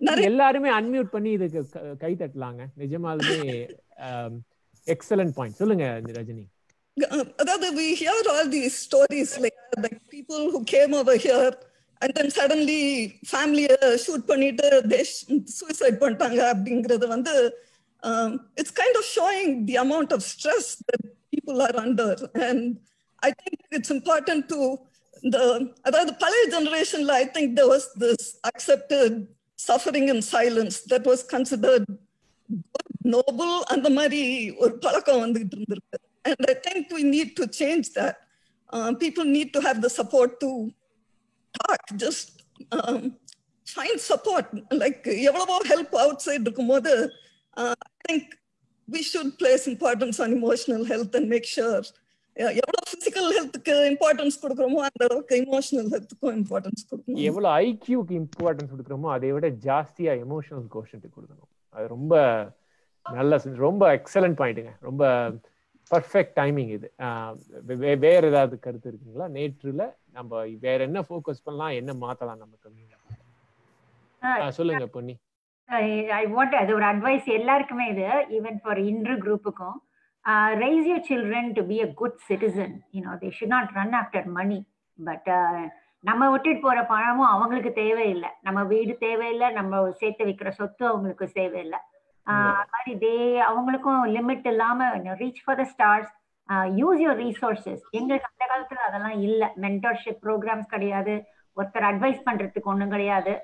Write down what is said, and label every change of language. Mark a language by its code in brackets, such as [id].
[ta] எல்லாருமே அன்மியூட் பண்ணி இதுக்கு கை தட்டலாங்க. நிஜமாலுமே எக்ஸலென்ட் பாயிண்ட் சொல்லுங்க ரஜினி. அதாவது [en] we hear all these stories like people who came over here and then suddenly family shoot [ta] பண்ணிட்டு [en] தேஷ் suicide [ta] பண்ணாங்க அப்படிங்கறது வந்து [en] it's kind of showing the amount of stress that people are under and I think it's important to the [ta] அதாவது பழைய ஜெனரேஷன்ல [en] I think there was this accepted suffering in silence that was considered good, noble and the [ta] mari or palaka vandirundirukku [en] and I think we need to change that. People need to have the support to talk, just find support like [ta] evlo [en] help outside [ta] irukumode. [en] I think we should place importance on emotional health and make sure [ta] எவ்வளவு physical ஹெல்த்துக்கு importance கொடுக்கறோமோ அந்த அளவுக்கு emotional ஹெல்த்துக்கும் importance கொடுக்கணும். எவ்வளவு ஐக்யூக்கு importance கொடுக்கறோமோ அதை விட ஜாஸ்தியா எமோஷனல் கோஷன்ட் கொடுக்கணும். அது ரொம்ப நல்ல ரொம்ப எக்ஸலன்ட் பாயிண்ட்ங்க, ரொம்ப பர்ஃபெக்ட் டைமிங் இது. வேற ஏதாவது கருத்து இருக்குங்களா? நேற்றுல நம்ம வேற என்ன ஃபோக்கஸ் பண்ணலாம், என்ன மாத்தலாம் நம்ம கம்யூனிட்டி? சொல்லுங்க பொன்னி. [en] I want [ta] அது ஒரு அட்வைஸ் எல்லாருக்குமே, இது ஈவன் ஃபார் இன்று குரூப்புக்கும். [en] Raise your children to be a good citizen. You know, they should not run after money. But [ta] நம்ம விட்டுட்டு போற பணமும் அவங்களுக்கு தேவையில்லை. நம்ம வீடு தேவையில்லை, நம்ம சேர்த்து வைக்கிற சொத்து அவங்களுக்கு தேவையில்லை. அவங்களுக்கும் லிமிட் இல்லாம [en] Reach for the stars. Use your resources. [ta] எங்களுக்கு அந்த காலத்துல அதெல்லாம் இல்லை. மென்டர்ஷிப் ப்ரோக்ராம்ஸ் கிடையாது, ஒருத்தர் அட்வைஸ் பண்றதுக்கு ஒன்றும் கிடையாது.